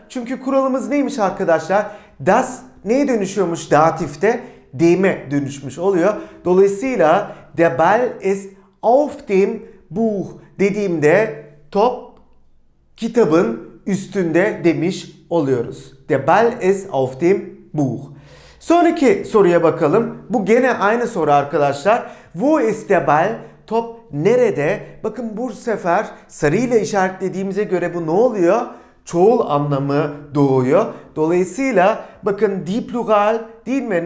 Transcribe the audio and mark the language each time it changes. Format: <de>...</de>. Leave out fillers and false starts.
<tr>Çünkü kuralımız neymiş arkadaşlar? Das neye dönüşüyormuş datifte? Dem'e dönüşmüş oluyor. Dolayısıyla</tr> <de>der Ball ist auf dem Buch</de> <tr>dediğimde top kitabın üstünde demiş oluyoruz.</tr> <de>Der Ball ist auf dem Buch.</de> <tr>Sonraki soruya bakalım. Bu gene aynı soru arkadaşlar.</tr> <de>Wo ist der Ball?</de> <tr>Top nerede? Bakın bu sefer sarıyla işaretlediğimize göre bu ne oluyor? Çoğul anlamı doğuyor. Dolayısıyla bakın die plural değil mi?</tr>